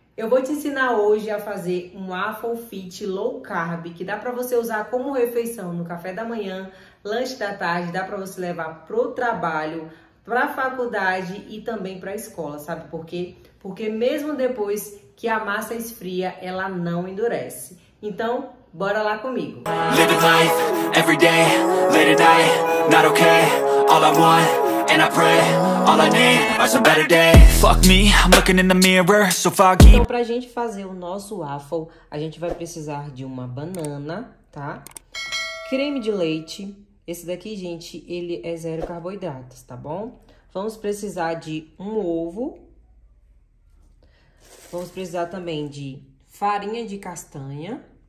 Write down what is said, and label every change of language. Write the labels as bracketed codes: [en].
[pt] Eu vou te ensinar hoje a fazer um AffoFit Low Carb, que dá para você usar como refeição no café da manhã, lanche da tarde, dá para você levar pro trabalho, pra faculdade e também pra escola, sabe por quê? Porque mesmo depois que a massa esfria, ela não endurece. Então, bora lá comigo. [en] Living life, every day, late at night, not okay. All I want, and I pray, all I need are some better days. Fuck me, I'm looking in the mirror, so foggy. [pt] Então, pra gente fazer o nosso waffle, a gente vai precisar de uma banana, tá? Creme de leite. Esse daqui, gente, ele é zero carboidratos, tá bom? Vamos precisar de um ovo. Vamos precisar também de farinha de castanha.